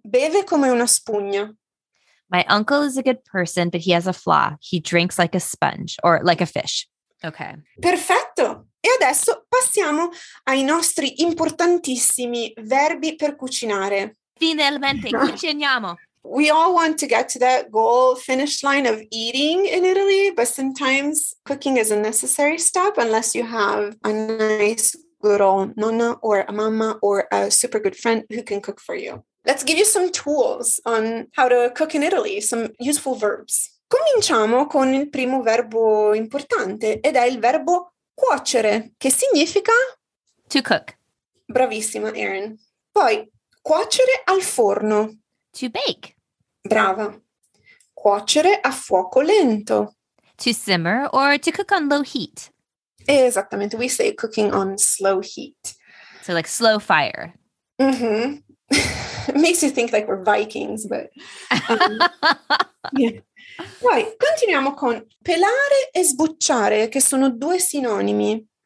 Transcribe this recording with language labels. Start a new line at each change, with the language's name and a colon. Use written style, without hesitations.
Italian: Beve come una spugna.
English: My uncle is a good person, but he has a flaw. He drinks like a sponge or like a fish. Okay.
Italian: Perfetto. E adesso passiamo ai nostri importantissimi verbi per cucinare. Finalmente, cuciniamo.
English: We all want to get to that goal, finish line of eating in Italy, but sometimes cooking is a necessary step unless you have a nice, good old nonna or a mama or a super good friend who can cook for you. Let's give you some tools on how to cook in Italy, some useful verbs.
Italian: Cominciamo con il primo verbo importante ed è il verbo cuocere, che significa?
English: To cook.
Italian: Bravissima, Erin. Poi, cuocere al forno.
English: To bake.
Italian: Brava. Cuocere a fuoco lento.
English: To simmer or to cook on low heat.
Italian: Esattamente.
English: We say cooking on slow heat. So like slow fire. Mm-hmm. It makes you think like we're Vikings, but... yeah.
Italian: Poi, continuiamo con pelare e sbucciare, che sono due sinonimi.